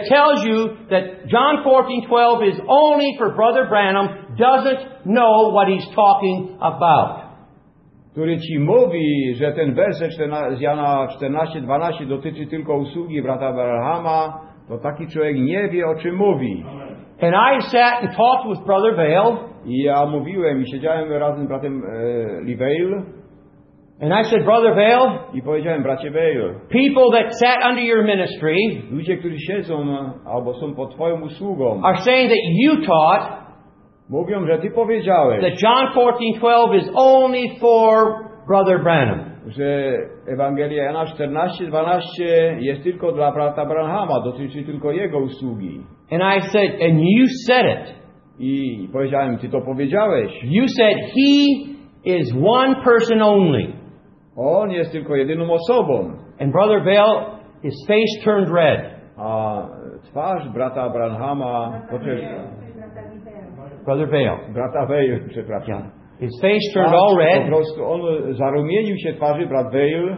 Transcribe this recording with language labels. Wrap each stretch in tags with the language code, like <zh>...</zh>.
<en>that tells you that John 14:12 is only for Brother Branham doesn't know what he's talking about.</en> <pl>Który ci mówi, że ten werset z Jana 14:12 dotyczy tylko usługi brata Branhama, to taki człowiek nie wie, o czym mówi.</pl> <en>And I sat and talked with Brother Vail.</en> <pl>I ja mówiłem i siedziałem razem z bratem Vail.</pl> <en>And I said, Brother Vail,</en> <pl>i powiedziałem, bracie Vail,</pl> <en>people that sat under your ministry,</en> <pl>ludzie, którzy siedzą albo są pod twoją usługą,</pl> <en>are saying that you taught,</en> <pl>mówią, że ty powiedziałeś,</pl> <en>that John 14:12 is only for Brother Branham.</en> <pl>Że Ewangelia Jana 14:12 jest tylko dla brata Branhama, dotyczy tylko jego usługi.</pl> <en>And I said, and you said it.</en> <pl>I powiedziałem, ty to powiedziałeś.</pl> <en>You said he is one person only.</en> <pl>On jest tylko jedyną osobą.</pl> <en>And Brother Vail, his face turned red.</en> <pl>A twarz brata Branhama poczerwiała.</pl> <en>Brother Vail.</en> <pl>Brata Vail, przepraszam.</pl> <en>His face turned all red.</en> <pl>Po prostu on zarumienił się twarzy, brat Vail.</pl>